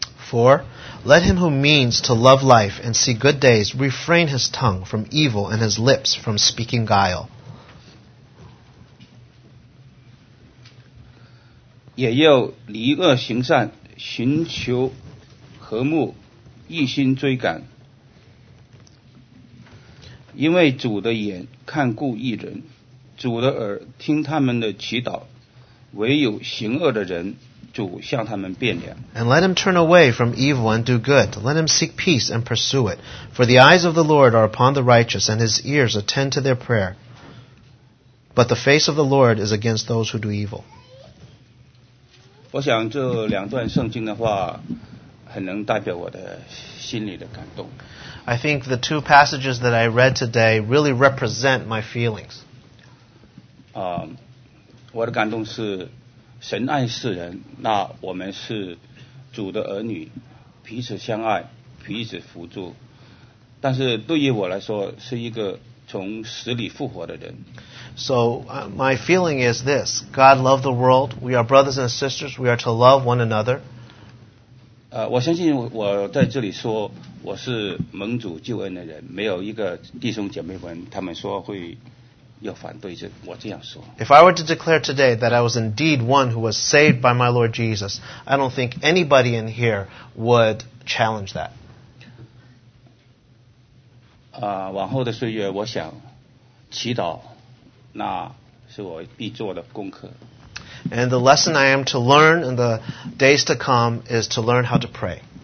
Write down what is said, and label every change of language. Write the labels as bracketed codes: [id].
[en] For, let him who means to love life and see good days refrain his tongue from evil and his lips from speaking guile. [zh] 也要离恶行善，寻求和睦，一心追赶。因为主的眼看顾义人，主的耳听他们的祈祷，唯有行恶的人，主向他们变脸。 [en] And let him turn away from evil and do good. Let him seek peace and pursue it. For the eyes of the Lord are upon the righteous, and his ears attend to their prayer. But the face of the Lord is against those who do evil. [zh] 我想这两段圣经的话，很能代表我的心里的感动。 [en] I think the two passages that I read today really represent my feelings. [zh] 我的感动是神爱世人，那我们是主的儿女，彼此相爱，彼此扶助。但是对于我来说，是一个从死里复活的人。 [en] So, my feeling is this. God loved the world. We are brothers and sisters. We are to love one another. [zh] 我相信我在这里说我是蒙主救恩的人，没有一个弟兄姐妹们他们说会要反对这我这样说。 [en] If I were to declare today that I was indeed one who was saved by my Lord Jesus, I don't think anybody in here would challenge that. [zh] 往后的岁月我想祈祷，那是我必做的功课。 [en] And the lesson I am to learn in the days to come is to learn how to pray.